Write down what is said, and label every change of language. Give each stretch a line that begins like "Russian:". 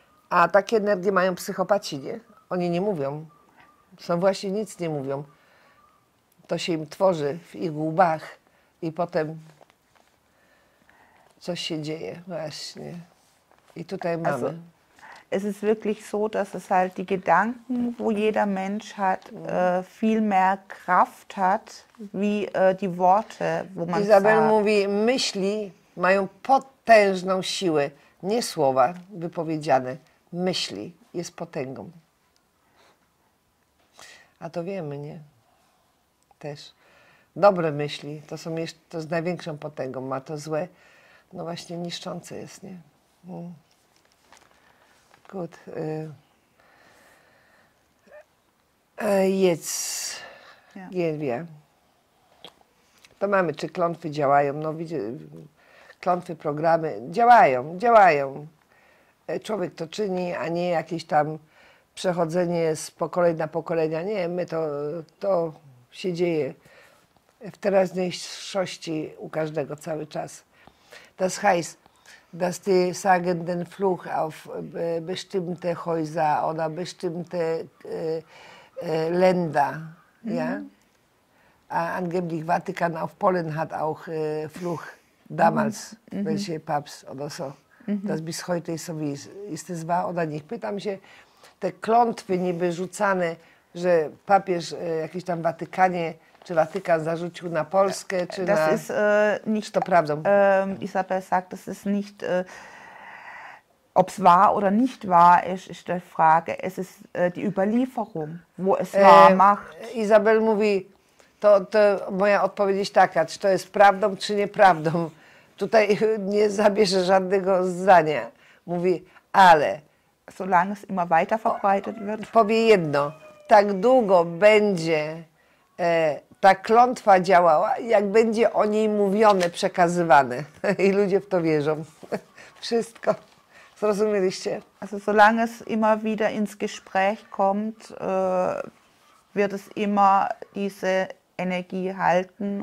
Polish: A takie energie mają psychopaci, nie? Oni nie mówią. Są właśnie nic nie mówią. to się im tworzy w ich łbach i potem coś się dzieje właśnie. I tutaj mamy.
German: Es ist wirklich so, dass es halt die Gedanken, wo jeder Mensch hat, viel mehr Kraft hat, wie die Worte, wo man Isabel sagt.
Polish: Mówi, myśli mają potężną siłę, nie słowa wypowiedziane, myśli jest potęgą. A to wiemy, nie? Też. Dobre myśli to są jeszcze to z największą potęgą, a to złe, no właśnie niszczące jest, nie?
German: Gut, jetzt gehen wir.
Polish: To mamy, czy klątwy działają? No, klątwy, programy działają, działają. Człowiek to czyni, a nie jakieś tam przechodzenie z pokolenia na pokolenia. Nie, my to się dzieje w teraźniejszości u każdego cały czas.
German: Das heißt, dass die sagen den Fluch auf bestimmte Häuser oder bestimmte Länder, ja? Angeblich Vatikan auf Polen hat auch Fluch damals, welche Papst oder so. Das bis heute ist so wie ist es war oder nicht.
Polish: Pytam się, te klątwy niby rzucane, że papież jakiś tam w Watykanie czy Watykan zarzucił na Polskę, czy
German: das
Polish: na...
German: Ist, nicht,
Polish: czy to prawdą?
German: Isabel sagt, das ist nicht, ob es wahr oder nicht wahr ist, ist die Frage. Es ist die Überlieferung, wo es wahr macht.
Polish: Isabel mówi, to moja odpowiedź jest taka, czy to jest prawdą, czy nieprawdą. Tutaj nie zabierze żadnego zdania. Mówi, ale...
German: Solange es immer weiter verbreitet wird.
Polish: Powie jedno, tak długo będzie... ta klątwa działała, jak będzie o niej mówione, przekazywane. I ludzie w to wierzą. Wszystko. Zrozumieliście?
German: Also, solange es immer wieder ins Gespräch kommt, wird es immer diese Energie halten.